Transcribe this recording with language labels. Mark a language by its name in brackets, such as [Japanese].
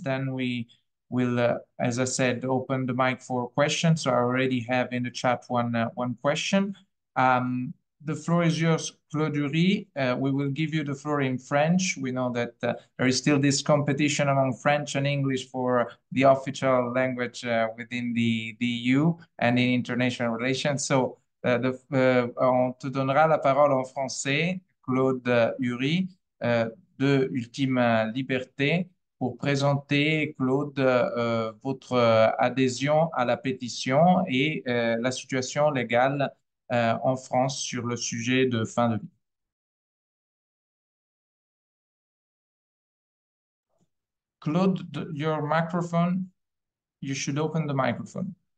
[English] Then we will, as I said, open the mic for questions. So I already have in the chat one question. The floor is yours, Claude Durie. We will give you the floor in French. We know that there is still this competition among French and English for the official language within the EU and in international relations. [French] So on te donnera la parole en français, Claude Durie, de Ultime Liberté, pour présenter, Claude, votre adhésion à la pétition et la situation légale en France sur le sujet de fin de vie. [English] Claude, your microphone, you should open the microphone.